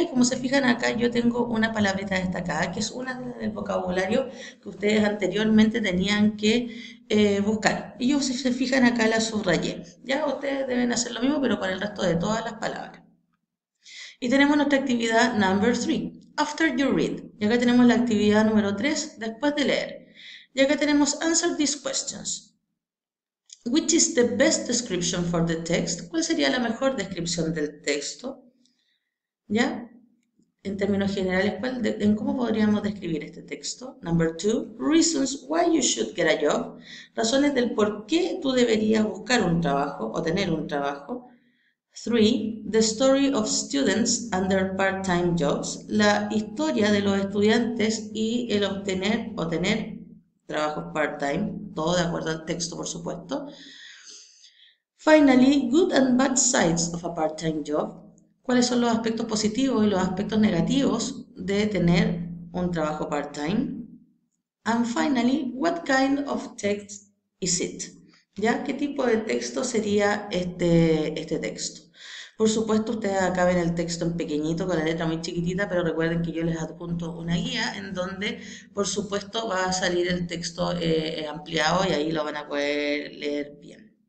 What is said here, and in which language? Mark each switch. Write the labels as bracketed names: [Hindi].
[Spanish] Y como se fijan acá, yo tengo una palabrita destacada que es una del vocabulario que ustedes anteriormente tenían que buscar. Y yo, si se fijan acá, la subrayé. Ya ustedes deben hacer lo mismo, pero con el resto de todas las palabras. Y tenemos nuestra actividad [English] number 3, after you read. [Spanish] Y acá tenemos la actividad número 3, después de leer. Y acá tenemos [English] answer these questions. Which is the best description for the text? [Spanish] ¿Cuál sería la mejor descripción del texto? ¿Ya? En términos generales, ¿en cómo podríamos describir este texto? [English] Number 2, reasons why you should get a job. [Spanish] Razones del por qué tú deberías buscar un trabajo o tener un trabajo. [English] 3, the story of students and their part-time jobs. [Spanish] La historia de los estudiantes y el obtener o tener trabajos part-time, todo de acuerdo al texto, por supuesto. [English] Finally, good and bad sides of a part-time job. [Spanish] ¿Cuáles son los aspectos positivos y los aspectos negativos de tener un trabajo part-time? [English] And finally, what kind of text is it? [Spanish] ¿Ya? ¿Qué tipo de texto sería este texto? Por supuesto, ustedes acá ven el texto en pequeñito con la letra muy chiquitita, pero recuerden que yo les adjunto una guía en donde, por supuesto, va a salir el texto ampliado y ahí lo van a poder leer bien.